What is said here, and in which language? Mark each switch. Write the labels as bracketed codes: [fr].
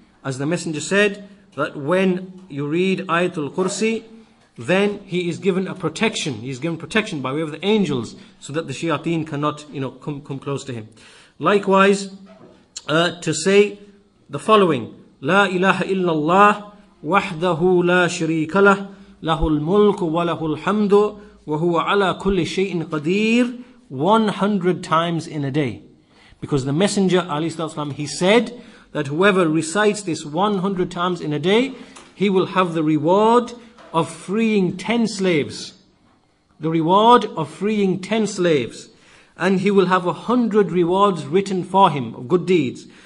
[en] As the messenger said, that when you read Ayatul Kursi, then he is given a protection. He is given protection by way of the angels, so that the shayateen cannot, you know, come close to him. Likewise, to say the following: [ar] La ilaha illallah, وَحْدَهُ لَا شَرِيكَ لَهُ لَهُ الْمُلْكُ وَلَهُ الْحَمْدُ وَهُوَ عَلَى كُلِّ شَيْءٍ قَدِيرٌ [en] 100 times in a day. Because the Messenger, alayhi salatu wasalam, he said that whoever recites this 100 times in a day, he will have the reward of freeing 10 slaves. The reward of freeing 10 slaves. And he will have 100 rewards written for him of good deeds.